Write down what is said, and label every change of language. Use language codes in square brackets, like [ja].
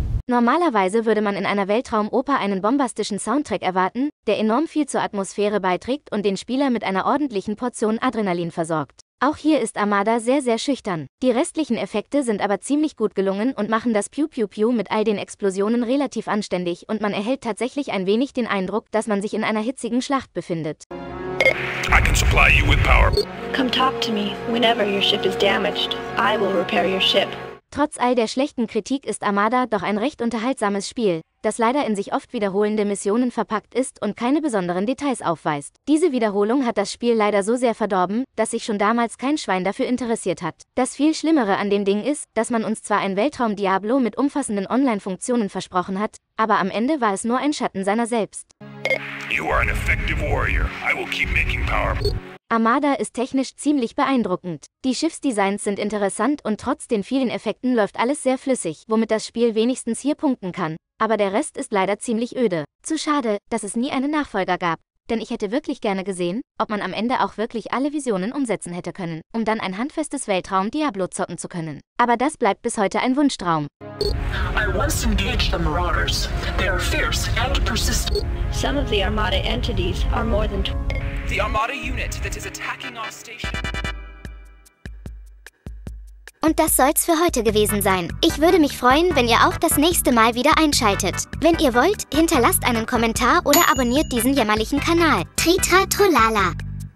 [de] Normalerweise würde man in einer Weltraumoper einen bombastischen Soundtrack erwarten, der enorm viel zur Atmosphäre beiträgt und den Spieler mit einer ordentlichen Portion Adrenalin versorgt. Auch hier ist Armada sehr, sehr schüchtern. Die restlichen Effekte sind aber ziemlich gut gelungen und machen das Piu-Piu-Piu mit all den Explosionen relativ anständig und man erhält tatsächlich ein wenig den Eindruck, dass man sich in einer hitzigen Schlacht befindet. [en] I can supply you with power. Come talk to me whenever your ship is damaged. I will repair your ship. [de] Trotz all der schlechten Kritik ist Armada doch ein recht unterhaltsames Spiel, das leider in sich oft wiederholende Missionen verpackt ist und keine besonderen Details aufweist. Diese Wiederholung hat das Spiel leider so sehr verdorben, dass sich schon damals kein Schwein dafür interessiert hat. Das viel Schlimmere an dem Ding ist, dass man uns zwar ein Weltraum-Diablo mit umfassenden Online-Funktionen versprochen hat, aber am Ende war es nur ein Schatten seiner selbst. [en] You are an effective warrior. I will keep making power. [de] Armada ist technisch ziemlich beeindruckend. Die Schiffsdesigns sind interessant und trotz den vielen Effekten läuft alles sehr flüssig, womit das Spiel wenigstens hier punkten kann. Aber der Rest ist leider ziemlich öde. Zu schade, dass es nie einen Nachfolger gab. Denn ich hätte wirklich gerne gesehen, ob man am Ende auch wirklich alle Visionen umsetzen hätte können, um dann ein handfestes Weltraum-Diablo zocken zu können. Aber das bleibt bis heute ein Wunschtraum. [en] I once engaged the Marauders. They are fierce and persistent. Some of the Armada entities are more than... The Armada unit that is attacking our station... [de] Und das soll's für heute gewesen sein. Ich würde mich freuen, wenn ihr auch das nächste Mal wieder einschaltet. Wenn ihr wollt, hinterlasst einen Kommentar oder abonniert diesen jämmerlichen Kanal. Tritra Trolala.